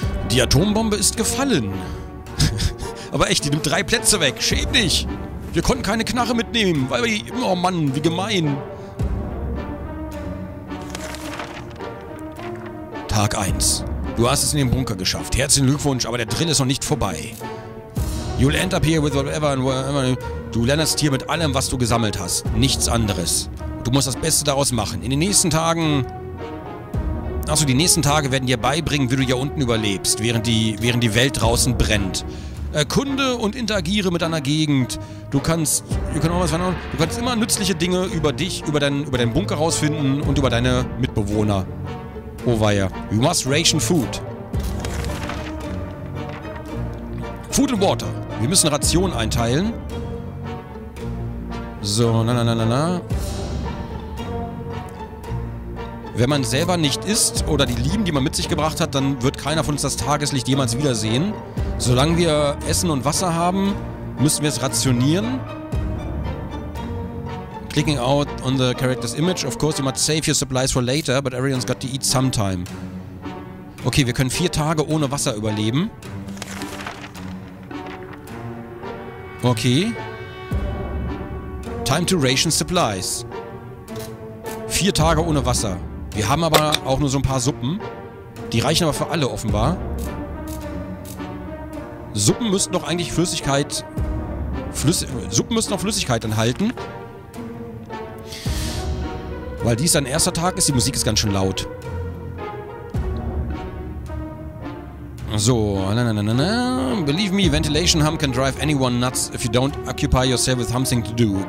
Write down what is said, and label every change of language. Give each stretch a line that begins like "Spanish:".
German: Die Atombombe ist gefallen. Aber echt, die nimmt 3 Plätze weg. Schäm dich. Wir konnten keine Knarre mitnehmen, weil wir die... Oh Mann, wie gemein. Tag 1. Du hast es in den Bunker geschafft. Herzlichen Glückwunsch, aber der Drill ist noch nicht vorbei.
English: You'll end up here with whatever and whatever.
German: Du landest hier mit allem, was du gesammelt hast. Nichts anderes. Du musst das Beste daraus machen. In den nächsten Tagen... Achso, die nächsten Tage werden dir beibringen, wie du hier unten überlebst, während die Welt draußen brennt. erkunde und interagiere mit deiner Gegend. Du kannst immer nützliche Dinge über dich, über deinen Bunker rausfinden und über deine Mitbewohner. Oh weia.
English: You must ration food. Food and water.
German: Wir müssen Rationen einteilen. So, Wenn man selber nicht isst oder die Lieben, die man mit sich gebracht hat, dann wird keiner von uns das Tageslicht jemals wiedersehen. Solange wir Essen und Wasser haben, müssen wir es rationieren.
English: Clicking out on the character's image. Of course, you must save your supplies for later, but everyone's got to eat sometime.
German: Okay, wir können 4 Tage ohne Wasser überleben.
English: Okay. Time to ration supplies.
German: 4 Tage ohne Wasser. Wir haben aber auch nur so ein paar Suppen. Die reichen aber für alle offenbar. Suppen müssten doch eigentlich Flüssigkeit. Suppen müssten doch Flüssigkeit enthalten. Weil dies ein erster Tag ist, die Musik ist ganz schön laut.
English: So, believe me, ventilation hum can drive anyone nuts if you don't occupy yourself with something to do.